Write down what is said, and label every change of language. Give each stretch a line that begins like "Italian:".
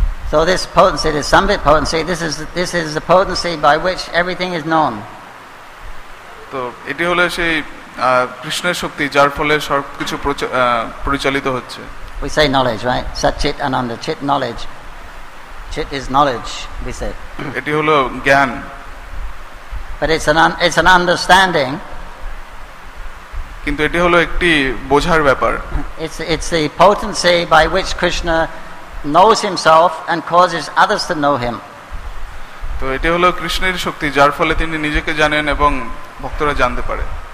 English: So this potency, this sambit potency, this is the potency by which everything is known.
Bangla: তো এটি হলো সেই কৃষ্ণের শক্তি যার ফলে সবকিছু পরিচালিত হচ্ছে।
English: We say knowledge, right? Satchit Ananda, chit knowledge. Chit is knowledge, we say.
Bangla: এটি হলো জ্ঞান।
English: But it's an understanding.
Bangla: কিন্তু এটি হলো একটি বোঝার ব্যাপার।
English: It's the potency by which Krishna knows himself and causes others to know him.
Bangla: তো এটি হলো কৃষ্ণের শক্তি যার ফলে তিনি নিজেকে জানেন এবং ভক্তরা জানতে পারে।